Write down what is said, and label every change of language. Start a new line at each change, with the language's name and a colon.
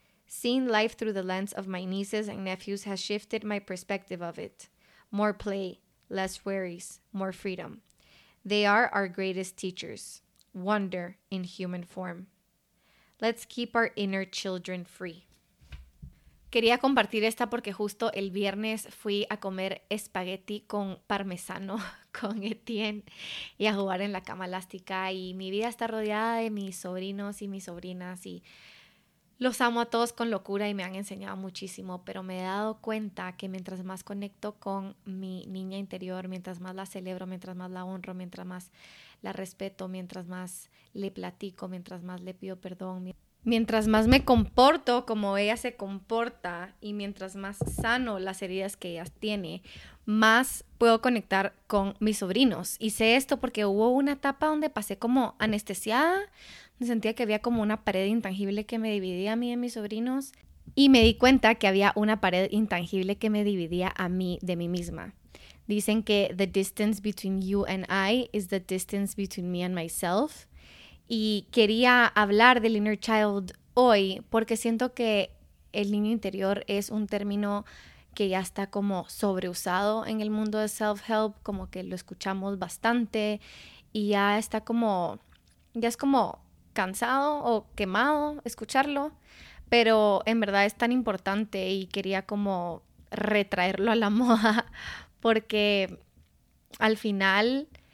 English: Seeing life through the lens of my nieces and nephews has shifted my perspective of it. More play, less worries, more freedom. They are our greatest teachers. Wonder in human form. Let's keep our inner children free."
Spanish: Quería compartir esta porque justo el viernes fui a comer espagueti con parmesano con Etienne y a jugar en la cama elástica, y mi vida está rodeada de mis sobrinos y mis sobrinas y los amo a todos con locura y me han enseñado muchísimo, pero me he dado cuenta que mientras más conecto con mi niña interior, mientras más la celebro, mientras más la honro, mientras más la respeto, mientras más le platico, mientras más le pido perdón, mientras más me comporto como ella se comporta y mientras más sano las heridas que ella tiene, más puedo conectar con mis sobrinos. Y sé esto porque hubo una etapa donde pasé como anestesiada, me sentía que había como una pared intangible que me dividía a mí de mis sobrinos, y me di cuenta que había una pared intangible que me dividía a mí de mí misma. Dicen que
English: the distance between you and I is the distance between me and myself.
Spanish: Y quería hablar del inner child hoy porque siento que el niño interior es un término que ya está como sobreusado en el mundo de self-help, como que lo escuchamos bastante y ya está como, ya es como cansado o quemado escucharlo, pero en verdad es tan importante y quería como retraerlo a la moda porque al final,